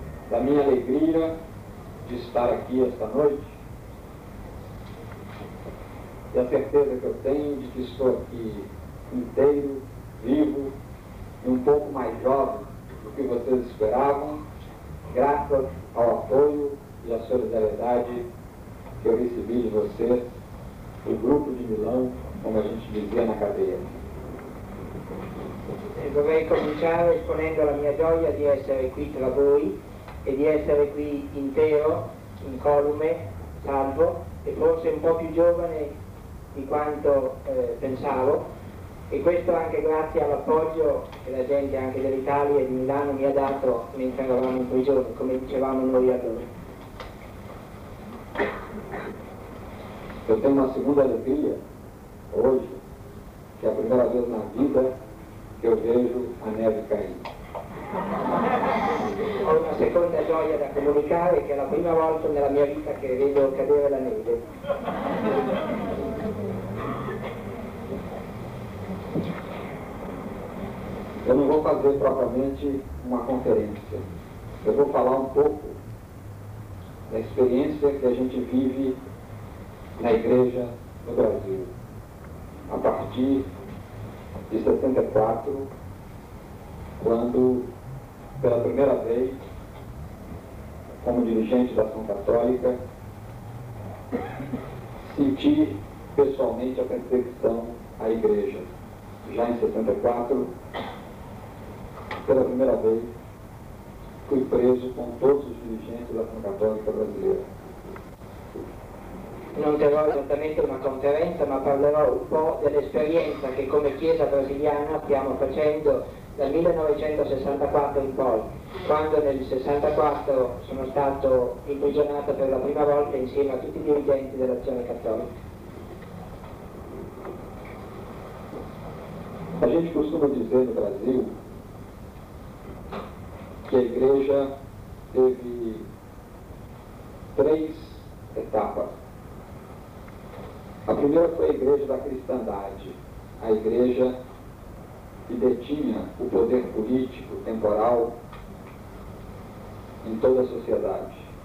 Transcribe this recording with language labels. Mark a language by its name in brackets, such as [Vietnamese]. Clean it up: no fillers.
[Portuguese] Da minha alegria de estar aqui esta noite e a certeza que eu tenho de que estou aqui inteiro, vivo e um pouco mais jovem do que vocês esperavam, graças ao apoio e à solidariedade que eu recebi de vocês, do grupo de Milão, como a gente dizia na cadeia. [Italian] Vorrei cominciare esponendo la mia gioia di essere qui tra voi e di essere qui intero, incolume, salvo e forse un po' più giovane di quanto pensavo, e questo anche grazie all'appoggio che la gente anche dell'Italia e di Milano mi ha dato mentre eravamo in prigione, come dicevamo noi a loro. [Portuguese] Eu tenho uma segunda alegria hoje, que é a primeira vez na vida que eu vejo a neve caindo. [Italian] Ho una seconda gioia da comunicare, che è la prima volta nella mia vita che vedo cadere la neve. [Portuguese] Eu não vou fazer propriamente uma conferência. Eu vou falar um pouco da experiência que a gente vive na igreja no Brasil, a partir de 64, quando, pela primeira vez, como dirigente da Ação Católica, senti pessoalmente a perseguição à igreja. Já em 64, pela primeira vez, fui preso com todos os dirigentes da Ação Católica brasileira. [Italian] Non terrò esattamente una conferenza, ma parlerò un po' dell'esperienza che come Chiesa brasiliana stiamo facendo dal 1964 in poi, quando nel 64 sono stato imprigionato per la prima volta insieme a tutti i dirigenti dell'Azione Cattolica. [Portuguese] A gente costuma dizer no Brasil que a Igreja teve três etapas. A primeira foi a Igreja da Cristandade, a Igreja que detinha o poder político temporal em toda a sociedade.